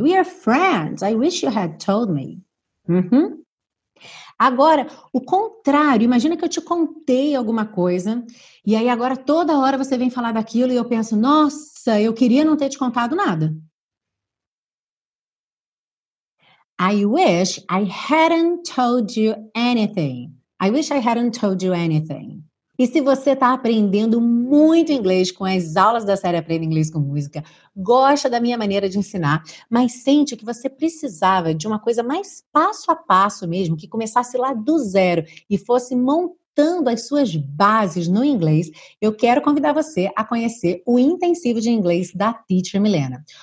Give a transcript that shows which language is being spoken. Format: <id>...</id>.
<en>We are friends. I wish you had told me. Uhum.</en> <pt>Agora, o contrário. Imagina que eu te contei alguma coisa e aí agora toda hora você vem falar daquilo e eu penso, nossa, eu queria não ter te contado nada.</pt> <en>I wish I hadn't told you anything. I wish I hadn't told you anything.</en> <pt>E se você está aprendendo muito inglês com as aulas da série Aprenda Inglês com Música, gosta da minha maneira de ensinar, mas sente que você precisava de uma coisa mais passo a passo mesmo, que começasse lá do zero e fosse montando montando as suas bases no inglês, eu quero convidar você a conhecer o Intensivo de Inglês da Teacher Milena.</pt>